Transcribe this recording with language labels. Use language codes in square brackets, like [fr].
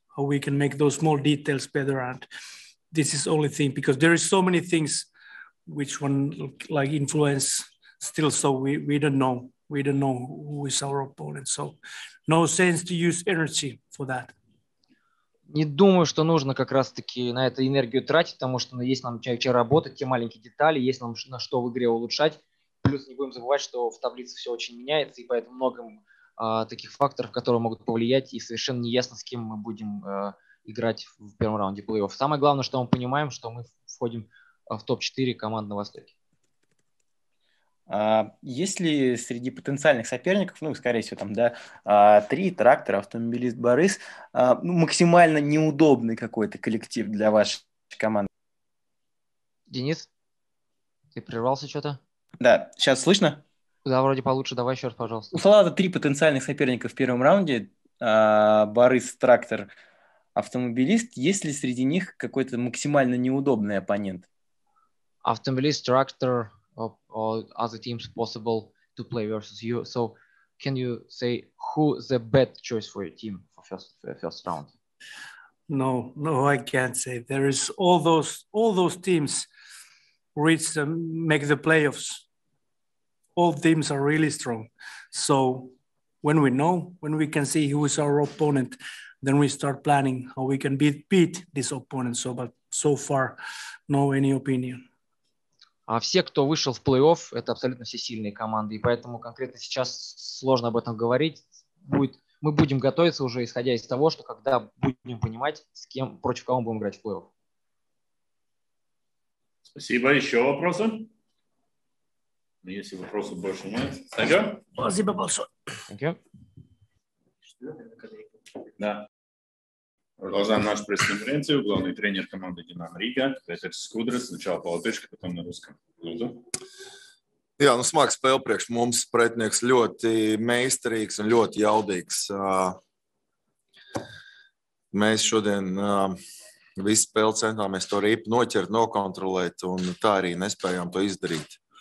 [en] how we can make those small details better. And this is only thing because there is so many things which one like influence still. So we don't know who is our opponent. So no sense to use energy for that. [ru] Не думаю, что нужно как раз-таки на эту энергию тратить, потому что есть нам чем работать, те маленькие детали, есть нам на что в игре улучшать. Плюс не будем забывать, что в таблице все очень меняется, и поэтому много таких факторов, которые могут повлиять, и совершенно не ясно, с кем мы будем играть в первом раунде плей-офф. Самое главное, что мы понимаем, что мы входим в топ-4 команд на Востоке. А есть ли среди потенциальных соперников, ну, скорее всего, там, да, три трактора, автомобилист Борис, максимально неудобный какой-то коллектив для вашей команды? Денис, ты прервался что-то? Да, сейчас слышно? Да, вроде получше, давай еще раз, пожалуйста. У Салата три потенциальных соперника в первом раунде, Борис, трактор, автомобилист. Есть ли среди них какой-то максимально неудобный оппонент? Автомобилист, трактор... [en] Or other teams possible to play versus you. So, can you say who the bad choice for your team for first round? No, I can't say. There is all those teams reach them, make the playoffs. All teams are really strong. So, when we can see who is our opponent, then we start planning how we can beat this opponent. So, but so far, no any opinion. [ru] А все, кто вышел в плей-офф, это абсолютно все сильные команды. И поэтому конкретно сейчас сложно об этом говорить. Мы будем готовиться уже, исходя из того, что когда будем понимать, с кем, против кого мы будем играть в плей-офф. Спасибо. Еще вопросы? Если вопросов больше нет. Спасибо. Спасибо большое. Да. Продолжаем нашу пресс-конференцию. Главный тренер команды «Динамо Рига» Петер Скудрис. Сначала по-латышски, потом на русском. [lv] Jā, nu smags spēle priekš mums. Pretinieks ļoti meistarīgs un ļoti jaudīgs. Mēs šodien visu spēli centāmies to ripu noķert, nokontrolēt, un tā arī nespējām to izdarīt.